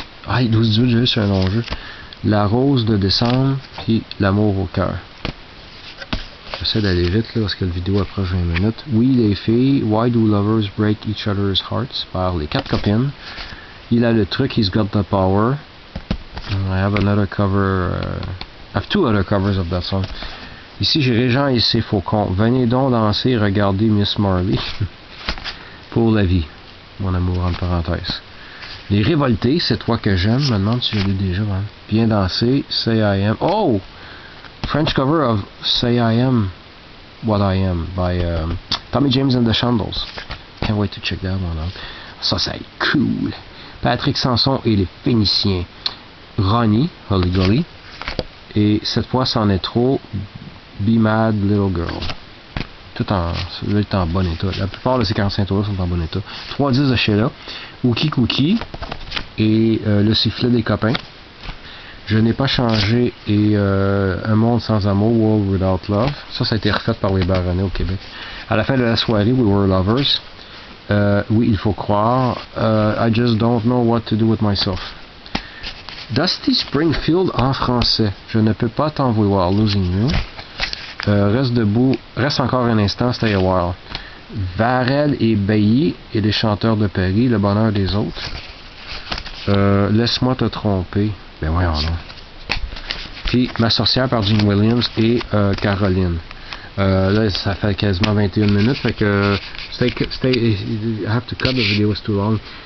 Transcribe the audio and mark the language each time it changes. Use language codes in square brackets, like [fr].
[fr] Ah, les 12-18, j'ai vu sur un long jeu. La rose de décembre, puis l'amour au cœur. J'essaie d'aller vite, là, parce que la vidéo approche 20 minutes. Oui, les filles, why do lovers break each other's hearts? Par les quatre copines. [en] Il a le truc, he's got the power. I have another cover. I have two other covers of that song. [fr] Ici, j'ai Régent et ses faucons. Venez donc danser, regardez Miss Marley. Pour la vie. mon amour, en parenthèse. Les révoltés, c'est toi que j'aime. Je me demande si je l'ai déjà. Hein. Viens danser, Say I Am. Oh! [en] French cover of Say I Am, What I Am, by Tommy James and the Shandles. Can't wait to check that one out. [fr] Ça, ça est cool. [en] Patrick Sanson et les Phéniciens. [fr] Ronnie, Holy Golly. Et cette fois, c'en est trop. Be Mad Little Girl. Tout en, est en bon état. La plupart de ces 45 tours sont en bon état. 3-10 de Sheila. Wookie Cookie. Et le sifflet des copains. Je n'ai pas changé. Et Un monde sans amour. [en] World Without Love. [fr] Ça, ça a été refait par les Baronnets au Québec. À la fin de la soirée, We Were Lovers. Oui, il faut croire. [en] I just don't know what to do with myself. [fr] Dusty Springfield en français. Je ne peux pas t'en vouloir. Losing You. Reste debout, reste encore un instant, stay a while. Varel et Bailly et les chanteurs de Paris, le bonheur des autres. Laisse-moi te tromper. Ben voyons là. Puis Ma sorcière par Gene Williams et Caroline. Là, ça fait quasiment 21 minutes, fait que. [en] I have to cut the video, it's too long.